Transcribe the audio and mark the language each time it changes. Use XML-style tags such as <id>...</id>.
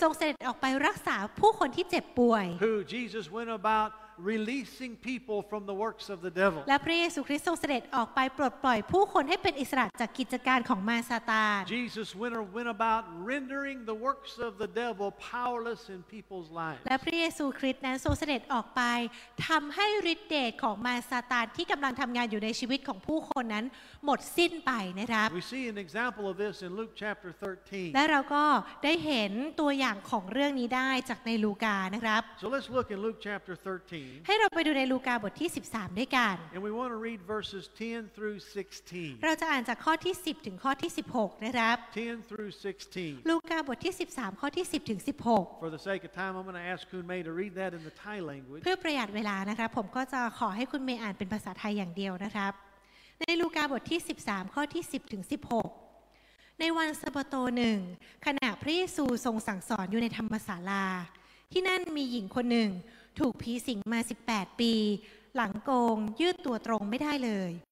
<th>ทรงเสด็จออกไปรักษาผู้คนที่เจ็บป่วย</th> <en>Who Jesus went aboutreleasing people from the works of the devil</en> <th>และพระเยซูคริสต์ทรงเสด็จออกไปปลดปล่อยผู้คนให้เป็นอิสระจากกิจการของมารซาตาน</th> <en>Jesus went about rendering the works of the devil powerless in people's lives</en> <th>และพระเยซูคริสต์นั้นทรงเสด็จออกไปทำให้ฤทธิ์เดชของมารซาตานที่กำลังทำงานอยู่ในชีวิตของผู้คนนั้นหมดสิ้นไปนะครับ</th> <en>We see an example of this in Luke chapter 13</en> <th>และเราก็ได้เห็นตัวอย่างของเรื่องนี้ได้จากในลูกานะครับ</th> <en>So let's look in Luke chapter 13</en> <th>ให้เราไปดูในลูกาบทที่13ด้วยกัน</th> <en>And we want to read verses 10 through 16.</en> <th>เราจะอ่านจากข้อที่10ถึงข้อที่16นะครับ</th> <en>10 through 16.</en> <th>ลูกาบทที่13ข้อที่10ถึง16.</th> <en>For the sake of time, I'm going to ask Khun May to read that in the Thai language.</en> <th>เพื่อประหยัดเวลานะครับผมก็จะขอให้คุณเมย์อ่านเป็นภาษาไทยอย่างเดียวนะครับในลูกาบทที่13ข้อที่10ถึง16ในวันสะบาโตหนึ่งขณะพระเยซูทรงสั่งสอนอยู่ในธรรมศาลาที่นั่นมีหญิงคนหนึ่งถูกผีสิงมา18ปีหลังโกงยืดตัวตรงไม่ได้เลย</th>